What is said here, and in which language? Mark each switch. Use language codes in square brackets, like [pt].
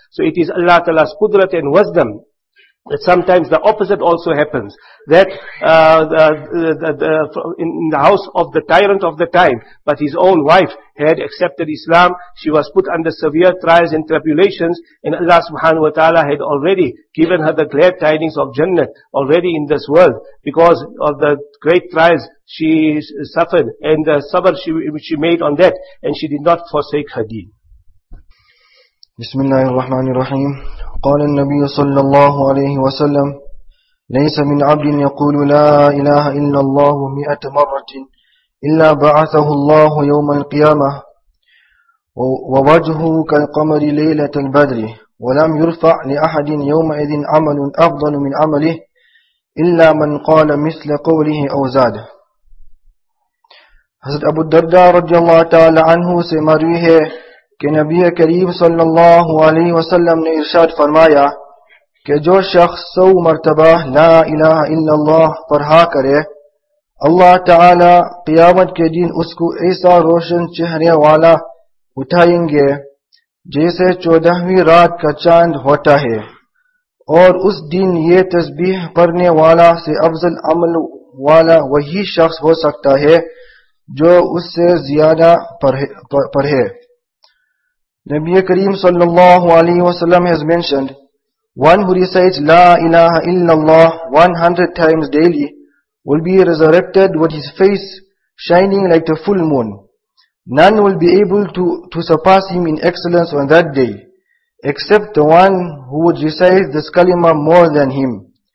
[en] So it is Allah Ta'ala's qudrat and wisdom that sometimes the opposite also happens, that in the house of the tyrant of the time, but his own wife had accepted Islam, she was put under severe trials and tribulations, and Allah subhanahu wa ta'ala had already given her the glad tidings of Jannah already in this world, because of the great trials she suffered and the sabr she made on that, and she did not forsake her deen. [ar] بسم الله الرحمن الرحيم قال النبي صلى الله عليه وسلم ليس من عبد يقول لا إله إلا الله 100 مرة إلا بعثه الله يوم القيامة ووجهه كالقمر ليلة البدر ولم يرفع لأحد يومئذ عمل أفضل من عمله إلا من قال مثل قوله أو زاد. [ur] حضرت أبو الدرداء رضي الله تعالى عنه سے مروی ہے کہ نبی کریم صلی اللہ علیہ وسلم نے ارشاد فرمایا کہ جو شخص 100 مرتبہ لا الہ الا اللہ پڑھا کرے اللہ تعالی قیامت کے دن اس کو ایسا روشن چہرے والا اٹھائیں گے جیسے 14th رات کا چاند ہوتا ہے اور اس دن یہ تسبیح پڑھنے والا سے افضل عمل والا وہی شخص ہو سکتا ہے جو اس سے زیادہ پڑھے. [en] Nabi Kareem sallallahu alayhi wa sallam has mentioned, one who recites La ilaha illallah 100 times daily will be resurrected with his face shining like the full moon. None will be able to surpass him in excellence on that day, except the one who would recite this kalima more than him.